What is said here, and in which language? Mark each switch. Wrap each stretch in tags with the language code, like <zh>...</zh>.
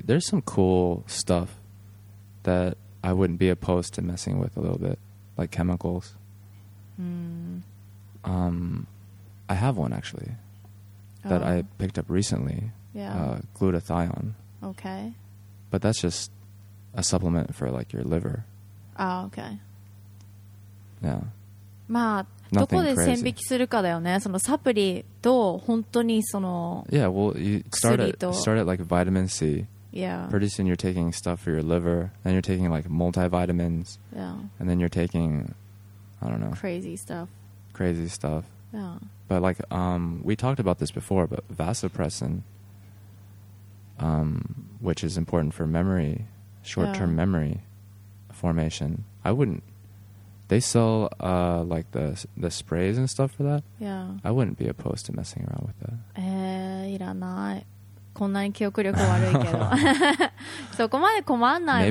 <en>There's some cool stuff that I wouldn't be opposed to messing with a little bit, like chemicals. I have one, actually. That I picked up recently, glutathione. Okay. But that's just a supplement for like your liver. Oh, okay. Yeah.</en> <ja>まあどこで線引きするかだよね。そのサプリと本当にその。</ja> <en>Yeah, well, you start at like vitamin C. Yeah. Pretty soon you're taking stuff for your liver, then you're taking like multivitamins. Yeah. And then you're taking, I don't know. Crazy stuff. Yeah. But like we talked about this before, but vasopressin, which is important for memory, short-term memory formation. They sell like the sprays and stuff for that. Yeah. I wouldn't be opposed to messing around with that.</en> <ja>いらない。こんなに記憶力悪いけど。そこまで困んない。</ja>